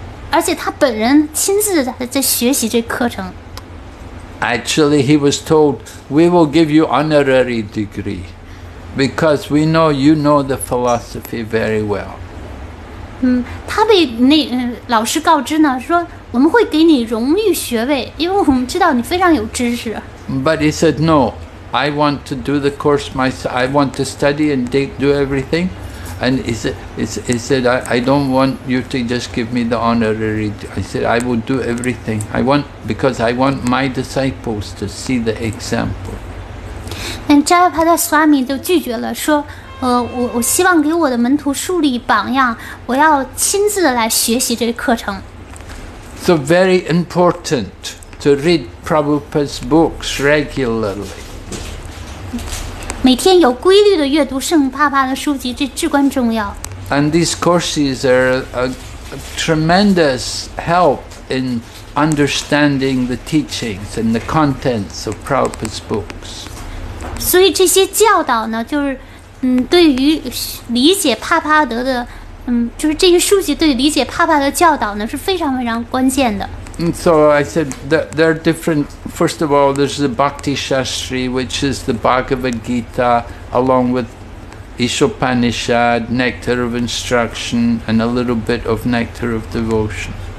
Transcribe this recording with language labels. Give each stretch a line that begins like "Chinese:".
Chinese: 而且他本人亲自在学习这课程。
English: Actually, he was told, we will give you honorary degree because we know you know the philosophy very well.
Chinese: 他被那老师告知呢，说我们会给你荣誉学位，因为我们知道你非常有知识。
English: But he said, no, I want to do the course myself. I want to study and do everything. And he said, I don't want you to just give me the honorary. I said, I will do everything. I want, because I want my disciples to see the example. And
Chinese: Jayapada Swami 就拒绝了说、我希望给我的门徒树立榜样我要亲自来学习这个课程。
English: So very important to read Prabhupada's books regularly.
Chinese: 每天有规律的阅读圣帕帕的书籍，这至关重要。
English: And these courses are a tremendous help in understanding the teachings and the contents of Prabhupada's books.
Chinese: 所以这些教导呢，就是对于理解帕帕德的，就是这些书籍对于理解帕帕德教导呢是非常非常关键的。
English: And so I said that there are different. First of all, there's the Bhakti Shastri, which is the Bhagavad Gita, along with Ishopanishad, Nectar of Instruction, and a little bit of Nectar of Devotion.